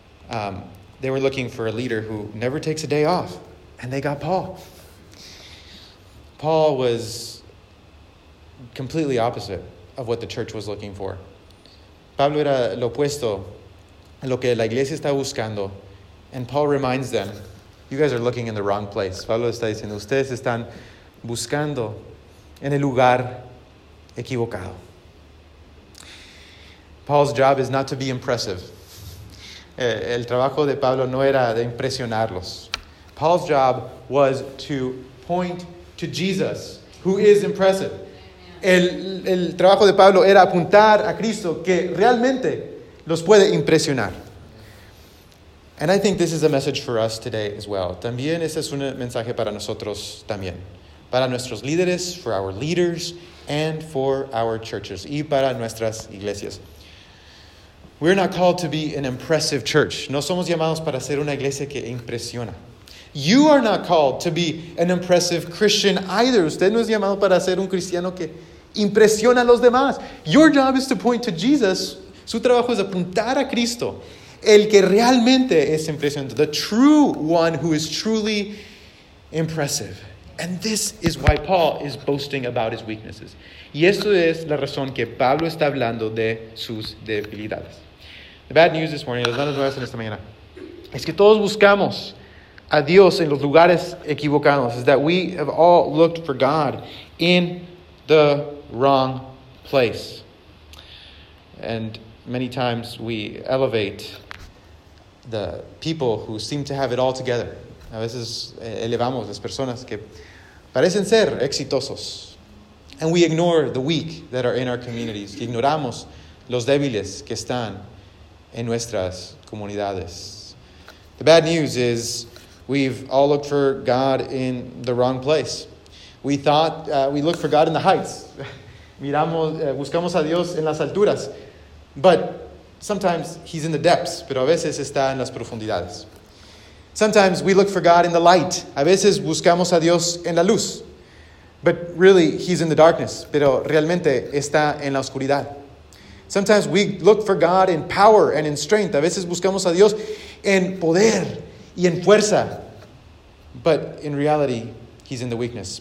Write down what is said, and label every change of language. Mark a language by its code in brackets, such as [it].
[en] They were looking for a leader who never takes a day off, and they got Paul. Paul was completely opposite of what the church was looking for. [es] Pablo era lo opuesto a lo que la iglesia estaba buscando. [en] And Paul reminds them, you guys are looking in the wrong place. [es] Pablo está diciendo, ustedes están buscando en el lugar equivocado. [en] Paul's job is not to be impressive. [es] El trabajo de Pablo no era de impresionarlos. [en] Paul's job was to point to Jesus, who is impressive. [es] El trabajo de Pablo era apuntar a Cristo, que realmente los puede impresionar. [en] And I think this is a message for us today as well. [es] También ese es un mensaje para nosotros también. Para nuestros líderes, [en] for our leaders, and for our churches. [es] Y para nuestras iglesias. [en] We're not called to be an impressive church. [es] No somos llamados para ser una iglesia que impresiona. [en] You are not called to be an impressive Christian either. [es] Usted no es llamado para ser un cristiano que impresiona a los demás. [en] Your job is to point to Jesus. [es] Su trabajo es apuntar a Cristo, el que realmente es impresionante. [en] The true one who is truly impressive. And this is why Paul is boasting about his weaknesses. [es] Y esto es la razón que Pablo está hablando de sus debilidades. [en] The bad news this morning, [es] las malas nuevas en esta mañana, es que todos buscamos a Dios en los lugares equivocados, [en] is that we have all looked for God in the wrong place. And many times we elevate the people who seem to have it all together. [es] A veces elevamos las personas que parecen ser exitosos. [en] And we ignore the weak that are in our communities. [es] Ignoramos los débiles que están en nuestras comunidades. [en] The bad news is, we've all looked for God in the wrong place. We thought we looked for God in the heights. [es] buscamos a Dios en las alturas. [en] But sometimes he's in the depths, [es] pero a veces está en las profundidades. [en] Sometimes we look for God in the light. [es] A veces buscamos a Dios en la luz. [en] But really he's in the darkness, [es] pero realmente está en la oscuridad. [en] Sometimes we look for God in power and in strength. [es] A veces buscamos a Dios en poder y en fuerza. [en] But in reality, he's in the weakness.